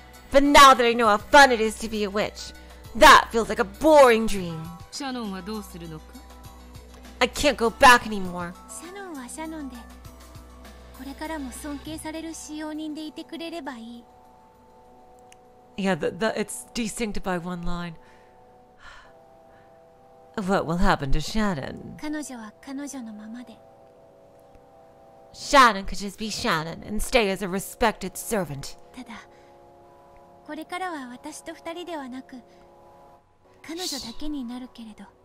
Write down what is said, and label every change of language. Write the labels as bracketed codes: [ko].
[en] But now that I know how fun it is to be a witch, that feels like a boring dream. [ja] シャノンはどうするのか? [en] I can't go back anymore. [ja] シャノンはシャノンで、これからも尊敬される使用人でいてくれればいい。 [en] Yeah, it's distinct by one line. What will happen to Shannon? [ja] 彼女は彼女のままで。 [en] Shannon could just be Shannon and stay as a respected servant. [ja] ただ、これからは私と二人ではなく、彼女だけになるけれど。